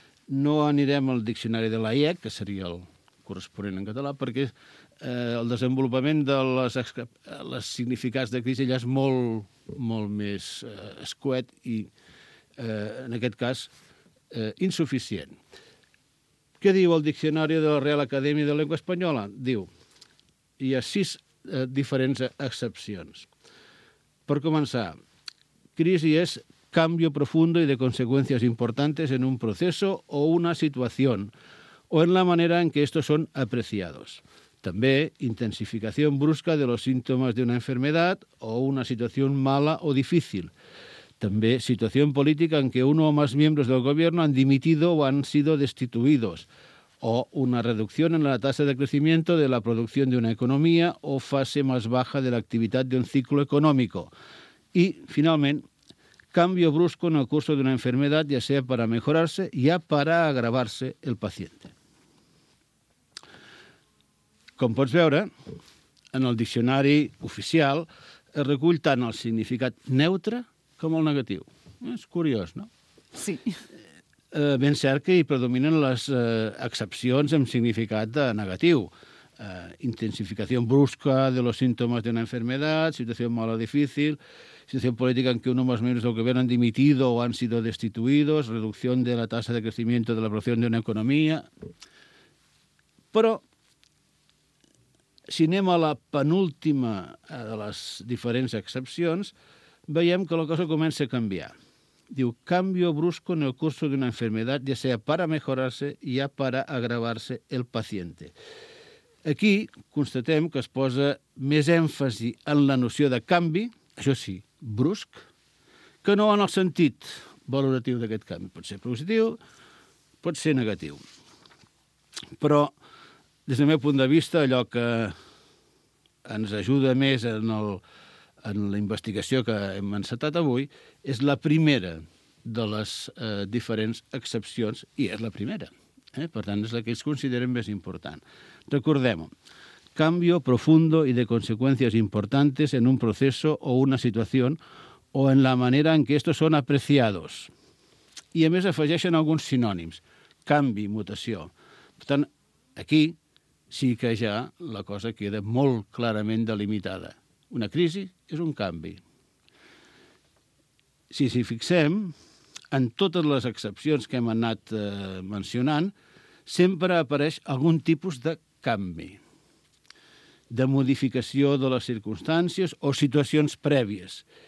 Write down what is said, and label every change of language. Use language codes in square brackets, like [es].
[ca] No anirem al diccionari de l'AIEC, que seria el corresponent en català, perquè el desenvolupament de les significats de crisi ja és molt, molt més escuet i, en aquest cas, insuficient. Què diu el diccionari de la Real Acadèmia de la Llengua Espanyola? Diu, hi ha sis diferents excepcions. Per començar, crisi és [es] cambio profundo y de consecuencias importantes en un proceso o una situación, o en la manera en que estos son apreciados. [ca] També, [es] intensificación brusca de los síntomas de una enfermedad o una situación mala o difícil. [ca] També, [es] situación política en que uno o más miembros del gobierno han dimitido o han sido destituidos, o una reducción en la tasa de crecimiento de la producción de una economía o fase más baja de la actividad de un ciclo económico. Y, finalmente, cambio brusco en el curso de una enfermedad, ya sea para mejorarse, ya para agravarse el paciente. [ca] Com pots veure, en el diccionari oficial es recull tant el significat neutre com el negatiu. És curiós, no? Sí. Ben cert que hi predominen les excepcions amb significat de negatiu. [es] Intensificación brusca de los síntomas de una enfermedad, situación mala o difícil, situación política en que uno o más miembros del gobierno han dimitido o han sido destituidos, reducción de la tasa de crecimiento de la producción de una economía. [ca] Però, si anem a la penúltima de les diferents excepcions, veiem que la cosa comença a canviar. Diu, [es] cambio brusco en el curso de una enfermedad, ya sea para mejorarse, ya para agravarse el paciente. [ca] Aquí constatem que es posa més èmfasi en la noció de canvi, això sí, brusc, que no en el sentit valoratiu d'aquest canvi. Pot ser positiu, pot ser negatiu. Però, des del meu punt de vista, allò que ens ajuda més en la investigació que hem encetat avui és la primera de les diferents excepcions, i és la primera. Per tant, és la que ells consideren més important. Recordem-ho. [es] Cambio profundo y de consecuencias importantes en un proceso o una situación o en la manera en que estos son apreciados. [ca] I a més afegeixen alguns sinònims. Canvi, mutació. Per tant, aquí sí que ja la cosa queda molt clarament delimitada. Una crisi és un canvi. Si s'hi fixem, en totes les excepcions que hem anat mencionant, sempre apareix algun tipus de canvi, de modificació de les circumstàncies o situacions prèvies.